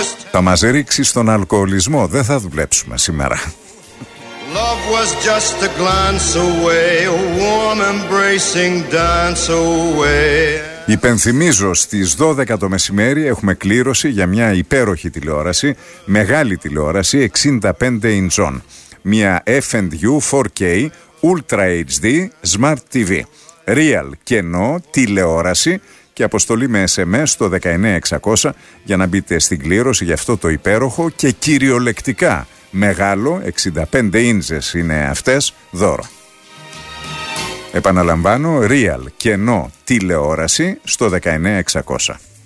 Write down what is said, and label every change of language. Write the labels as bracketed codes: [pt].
[el] Θα μας ρίξει στον αλκοολισμό. Δεν θα δουλέψουμε σήμερα. [en] Love was just a glance away, a warm embracing dance away. [el] Υπενθυμίζω, στις 12 το μεσημέρι έχουμε κλήρωση για μια υπέροχη τηλεόραση, μεγάλη τηλεόραση 65 ιντσών. Μια F&U 4K Ultra HD Smart TV. Real κενό τηλεόραση και αποστολή με SMS το 19600 για να μπείτε στην κλήρωση για αυτό το υπέροχο και κυριολεκτικά μεγάλο, 65 ίντσες είναι αυτές, δώρο. Επαναλαμβάνω, Real κενό τηλεόραση στο 19600.